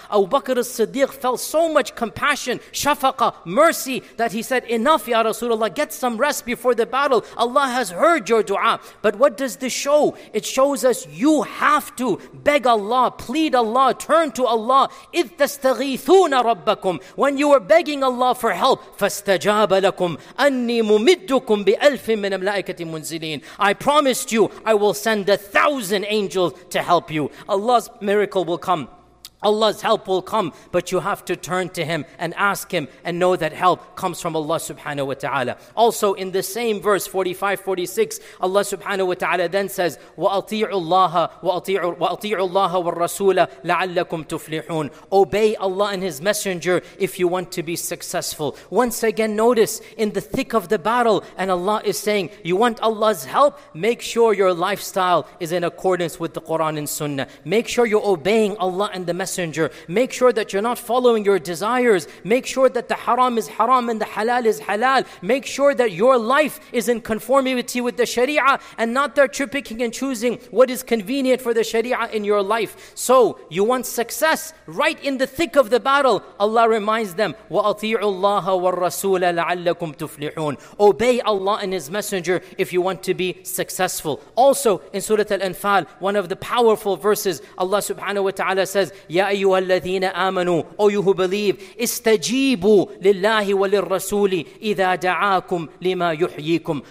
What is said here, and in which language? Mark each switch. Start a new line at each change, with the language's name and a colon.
English: Abu Bakr as-Siddiq felt so much compassion, shafaqa, mercy, that he said, Enough, Ya Rasulullah, get some rest before the battle. Allah has heard your dua. But what does this show? It shows us you have to beg Allah, plead Allah, turn to Allah.
Arabic: إِذْ تَسْتَغِيثُونَ رَبَّكُمْ.
English: When you were begging Allah for help,
Arabic: فَاسْتَجَابَ لَكُمْ أَنِّي مُمِدُّكُمْ بِأَلْفٍ مِنَ الْمَلَائِكَةِ مُنزِلِينَ.
English: I promised you I will send 1,000 angels to help you. Allah's miracle will come. Allah's help will come, but you have to turn to Him and ask Him and know that help comes from Allah subhanahu wa ta'ala. Also in the same verse, 45-46, Allah subhanahu wa ta'ala then says,
Arabic: وَأَطِيعُ اللَّهَ وَالرَّسُولَ لَعَلَّكُمْ تُفْلِحُونَ.
English: Obey Allah and His Messenger if you want to be successful. Once again, notice in the thick of the battle, and Allah is saying, you want Allah's help? Make sure your lifestyle is in accordance with the Quran and Sunnah. Make sure you're obeying Allah and the Messenger. Make sure that you're not following your desires. Make sure that the haram is haram and the halal is halal. Make sure that your life is in conformity with the sharia and not that you're picking and choosing what is convenient for the sharia in your life. So you want success right in the thick of the battle. Allah reminds them,
Arabic: وَأَطِيعُ اللَّهَ وَالرَّسُولَ لَعَلَّكُمْ تُفْلِحُونَ.
English: Obey Allah and His Messenger if you want to be successful. Also in Surah Al-Anfal, one of the powerful verses, Allah subhanahu wa ta'ala says,
Arabic: يَا أَيُّهَا الَّذِينَ آمَنُوا
English: O you who believe,
Arabic: إِسْتَجِيبُوا لِلَّهِ وَلِلْرَسُولِ إِذَا دَعَاكُمْ لِمَا يُحْيِيكُمْ.